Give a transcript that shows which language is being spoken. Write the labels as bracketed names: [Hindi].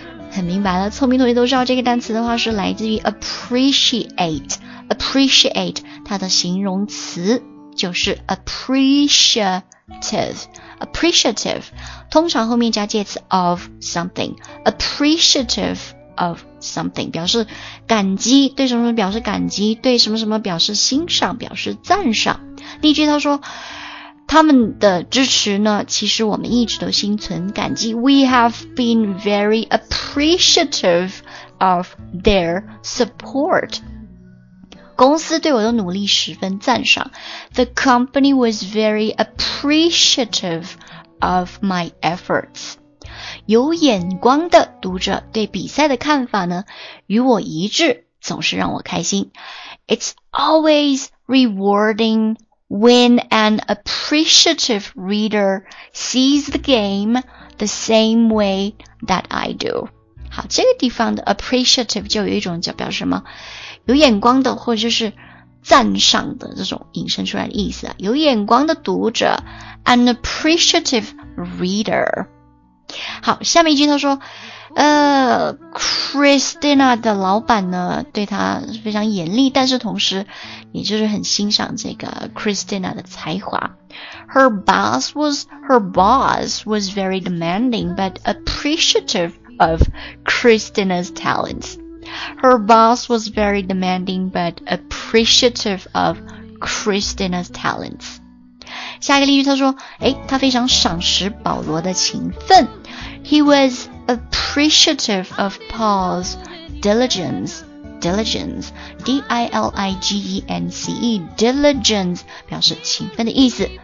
[Chinese] 很明白了，聪明同学都知道这个单词的话是来自于 appreciate， 它的形容词就是 appreciative， 通常后面加介词 of something， appreciative of something 表示感激，对什么什么表示感激，对什么什么表示欣赏，表示赞赏。例句他说，他们的支持呢，其实我们一直都心存感激。 [English] We have been very appreciative of their support. [Chinese] 公司对我的努力十分赞赏。 [English] The company was very appreciative of my efforts. [Chinese] 有眼光的读者对比赛的看法呢，与我一致，总是让我开心。 [English] It's always rewarding. When an appreciative reader sees the game the same way that I do. [Chinese] 好，这个地方的 appreciative 就有一种叫表示什么，有眼光的或者就是赞赏的这种引申出来的意思。有眼光的读者 , [English] an appreciative reader. [Chinese] 好，下面一句他说Christina 的老板呢对他非常严厉，但是同时也就是很欣赏这个 Christina 的才华。 [English] Her boss was very demanding but appreciative of Christina's talents. Her boss was very demanding but appreciative of Christina's talents. [Chinese] 下一个例句他说他非常赏识保罗的勤奋。 [English] He was appreciative of Paul's diligence, D-I-L-I-G-E-N-C-E, diligence, [Chinese] 表示勤奋的意思。